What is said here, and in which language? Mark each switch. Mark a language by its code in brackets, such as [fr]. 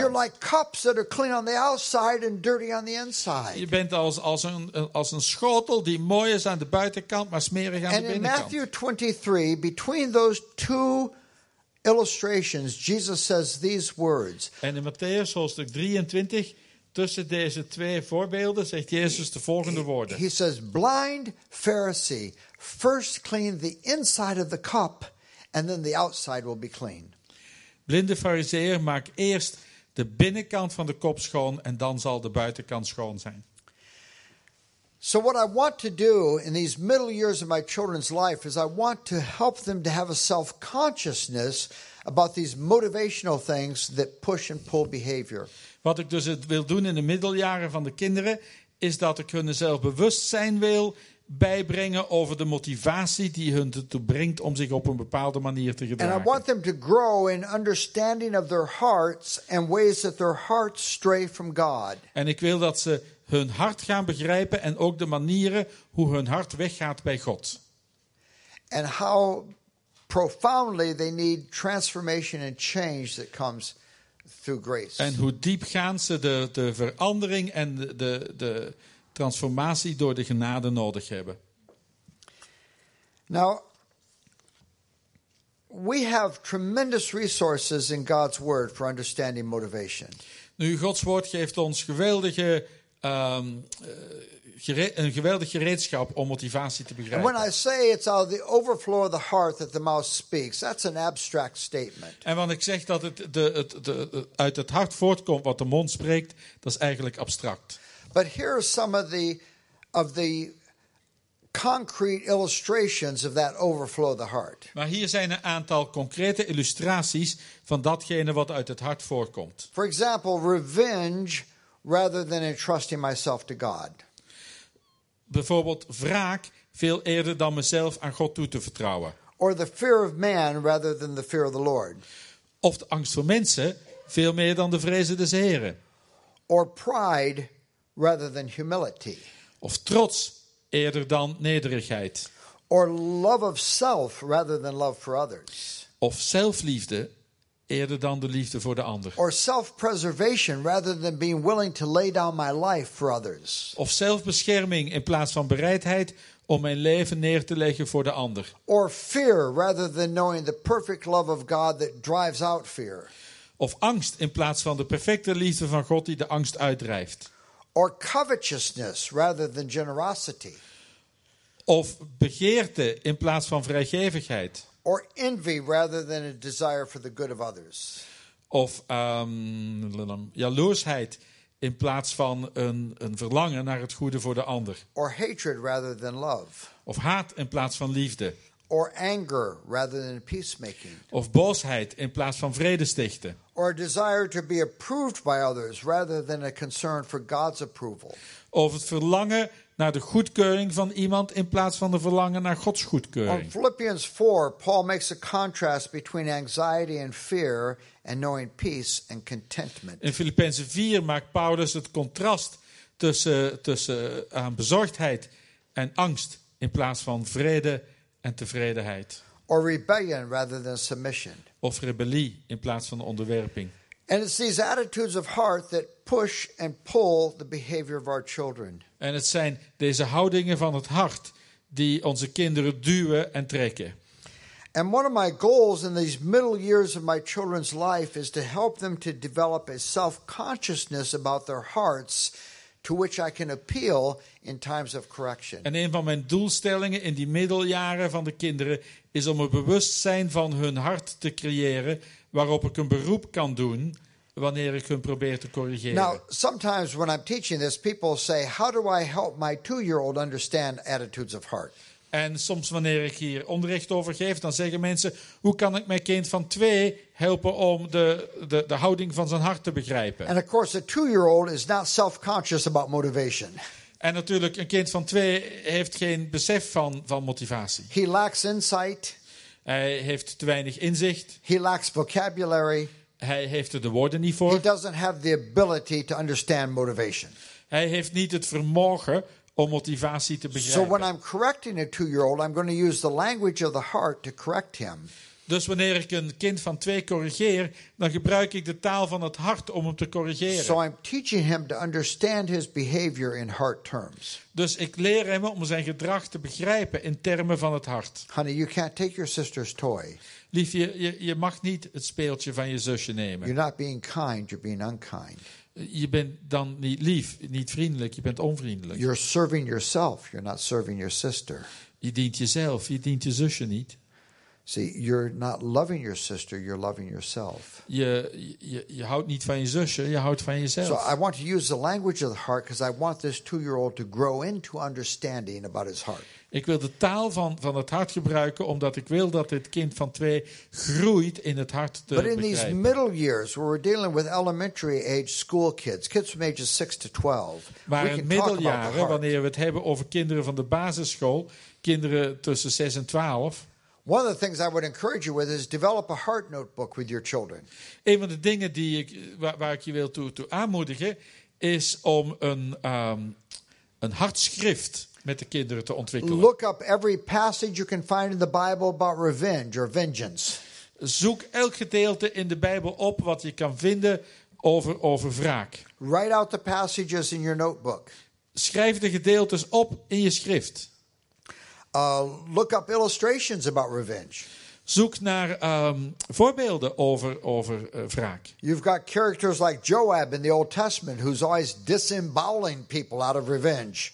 [en] You're like cups that are clean on the outside and dirty on the inside. [nl] Je bent als een schotel die mooi is aan de buitenkant, maar smerig aan [en] and [nl] de binnenkant. [en] And in Matthew 23, between those two illustrations, Jesus says these words. [nl] En in Matthäus hoofdstuk 23, tussen deze twee voorbeelden, zegt Jezus de volgende woorden. [en] He says, blind Pharisee, first clean the inside of the cup. And then the outside will be clean. [nl] Blinde fariseer, maak eerst de binnenkant van de kop schoon en dan zal de buitenkant schoon zijn. [en] So what I want to do in these middle years of my children's life is I want to help them to have a self-consciousness about these motivational things that push and pull behavior. [nl] Wat ik dus wil doen in de middeljaren van de kinderen is dat ik hun zelfbewustzijn wil bijbrengen over de motivatie die hun ertoe brengt om zich op een bepaalde manier te gedragen. [en] And I want them to grow in understanding of their hearts and ways that their hearts stray from God. [nl] En ik wil dat ze hun hart gaan begrijpen en ook de manieren hoe hun hart weggaat bij God. [en] And how profoundly they need transformation and change that comes through grace. [nl] En hoe diep gaan ze de verandering en de transformatie door de genade nodig hebben. [en] Now, we have tremendous resources in God's Word for understanding motivation. [nl] Nu, Gods woord geeft ons een geweldig gereedschap om motivatie te begrijpen. [en] And when I say it's out of the overflow of the heart that the mouth speaks, that's an abstract statement. [nl] En wanneer ik zeg dat het uit het hart voortkomt wat de mond spreekt, dat is eigenlijk abstract. [en] But here are some of the concrete illustrations of that overflow of the heart. [nl] Maar hier zijn een aantal concrete illustraties van datgene wat uit het hart voorkomt. [en] For example, revenge rather than entrusting myself to God. [nl] Bijvoorbeeld wraak veel eerder dan mezelf aan God toe te vertrouwen. [en] Or the fear of man rather than the fear of the Lord. [nl] Of de angst voor mensen veel meer dan de vrezen des Heren. [en] Or pride rather than humility. [nl] Of trots eerder dan nederigheid. [en] Or love of self rather than love for others. [nl] Of zelfliefde eerder dan de liefde voor de ander. [en] Or self-preservation rather than being willing to lay down my life for others. [nl] Of zelfbescherming in plaats van bereidheid om mijn leven neer te leggen voor de ander. [en] Or fear rather than knowing the perfect love of God that drives out fear. [nl] Of angst in plaats van de perfecte liefde van God die de angst uitdrijft. [en] Or covetousness rather than generosity. [nl] Of begeerte in plaats van vrijgevigheid. [en] Or envy rather than a desire for the good of others. [nl] Of jaloersheid in plaats van een verlangen naar het goede voor de ander. [en] Or hatred rather than love. [nl] Of haat in plaats van liefde. [en] Or anger rather than peacemaking. [nl] Of boosheid in plaats van vrede stichten. [en] Or a desire to be approved by others rather than a concern for God's approval. [nl] Of het verlangen naar de goedkeuring van iemand in plaats van de verlangen naar Gods goedkeuring. [en] In Philippians 4, Paul makes a contrast between anxiety and fear and knowing peace and contentment. [nl] In Filippenzen 4 maakt Paulus het contrast tussen bezorgdheid en angst in plaats van vrede en tevredenheid. [en] Or rebellion rather than submission. [nl] Of rebellie in plaats van onderwerping. [en] And it's these attitudes of heart that push and pull the behavior of our children. [nl] En het zijn deze houdingen van het hart die onze kinderen duwen en trekken. [en] And one of my goals in these middle years of my children's life is to help them to develop a self-consciousness about their hearts to which I can appeal in times of correction. [nl] En een van mijn doelstellingen in die middeljaren van de kinderen is om een bewustzijn van hun hart te creëren waarop ik een beroep kan doen wanneer ik hun probeer te corrigeren. [en] Now, sometimes when I'm teaching this, people say, how do I help my 2-year-old understand attitudes of heart? [nl] En soms wanneer ik hier onderricht over geef, dan zeggen mensen, hoe kan ik mijn kind van 2 helpen om de houding van zijn hart te begrijpen? [en] And of course, a 2-year-old is not self-conscious about motivation. [nl] En natuurlijk, een kind van 2 heeft geen besef van motivatie. [en] He lacks insight. [nl] Hij heeft te weinig inzicht. [en] He lacks vocabulary. [nl] Hij heeft er de woorden niet voor. [en] He doesn't have the ability to understand motivation. [nl] Hij heeft niet het vermogen om motivatie te begrijpen. [en] So when I'm correcting a 2-year-old, I'm going to use the language of the heart to correct him. [nl] Dus wanneer ik een kind van 2 corrigeer, dan gebruik ik de taal van het hart om hem te corrigeren. [en] So I'm teaching him to understand his behavior in heart terms. [nl] Dus ik leer hem om zijn gedrag te begrijpen in termen van het hart. [en] Honey, you can't take your sister's toy. [nl] Liefje, je mag niet het speeltje van je zusje nemen. [en] You're not being kind, you're being unkind. [nl] Je bent dan niet lief, niet vriendelijk, je bent onvriendelijk. [en] You're serving yourself, you're not serving your sister. [nl] Je dient jezelf, je dient je zusje niet. [en] See, you're not loving your sister, you're loving yourself. [nl] Je houdt niet van je zusje, je houdt van jezelf. [en] So I want to use the language of the heart because I want this 2-year-old to grow into understanding about his heart. [nl] Ik wil de taal van het hart gebruiken omdat ik wil dat dit kind van 2 groeit in het hart te begrijpen. [en] But in these middle years where we're dealing with elementary age school kids, kids from ages 6 to 12, [nl] maar in middeljaren, wanneer we het hebben over kinderen van de basisschool, kinderen tussen 6 en 12. [en] One of the things I would encourage you with is develop a heart notebook with your children. [nl] Een van de dingen die waar ik je wil toe aanmoedigen is om een hartschrift met de kinderen te ontwikkelen. [en] Look up every passage you can find in the Bible about revenge or vengeance. [nl] Zoek elk gedeelte in de Bijbel op wat je kan vinden over wraak. [en] Write out the passages in your notebook. [nl] Schrijf de gedeeltes op in je schrift. [en] look up illustrations about revenge. [nl] Zoek naar voorbeelden over wraak. [en] You've got characters like Joab in the Old Testament who's always disemboweling people out of revenge.